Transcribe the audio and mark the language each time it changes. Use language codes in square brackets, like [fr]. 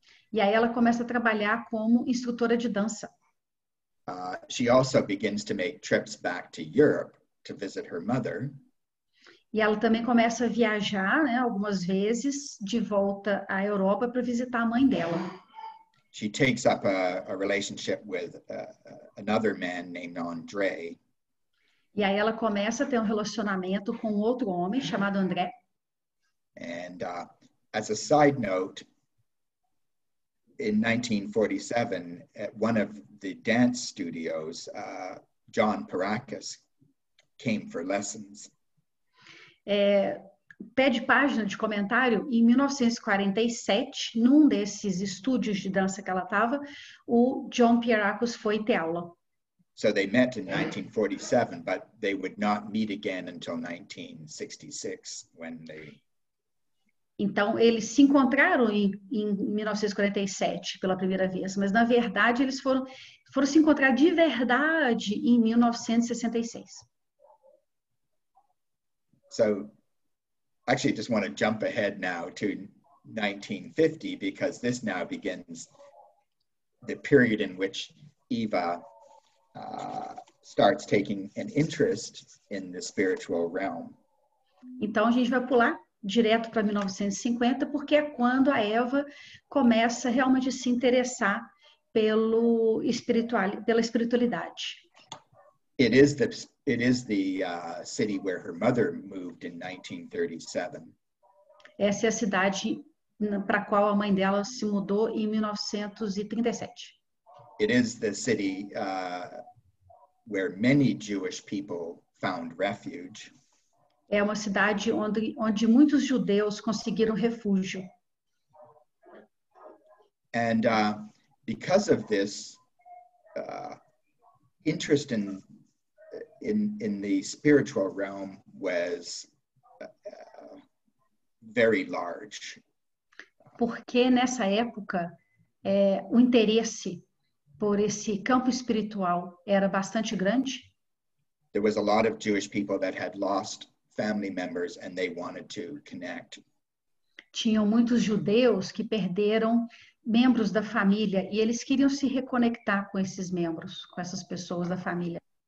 [pt] E aí ela começa a trabalhar como instrutora de dança. [en] She also begins to make trips back to Europe to visit her mother. [pt] E ela também começa a viajar, né, algumas vezes de volta à Europa para visitar a mãe dela. [en] She takes up a relationship with another man named André. [pt] E aí ela começa a ter um relacionamento com outro homem chamado André. [en] And as a side note, in 1947, at one of the dance studios, John Paracas came for lessons. [pt] Pé de página de comentário, em 1947, num desses estúdios de dança que ela estava, o John Paracas foi ter aula. [en] So they met in 1947, but they would not meet again until 1966, when they... [pt] Então, eles se encontraram em 1947 pela primeira vez, mas na verdade eles foram se encontrar de verdade em 1966. [en] So, actually, I just want to jump ahead now to 1950, because this now begins the period in which Eva starts taking an interest in the spiritual realm. [pt] Então, a gente vai pular direto para 1950, porque é quando a Eva começa realmente a se interessar pela espiritualidade. [en] It is the city where her mother moved in 1937. [pt] Essa é a cidade para qual a mãe dela se mudou em 1937. [en] It is the city where many Jewish people found refuge. [pt] É uma cidade onde muitos judeus conseguiram refúgio. [en] And because of this interest in the spiritual realm was very large. [pt] Porque nessa época o interesse por esse campo espiritual era bastante grande. [en] There was a lot of Jewish people that had lost family members, and they wanted to connect. [pt] Tinham muitos judeus que perderam membros da família e eles queriam se reconectar com esses membros, com essas pessoas da família.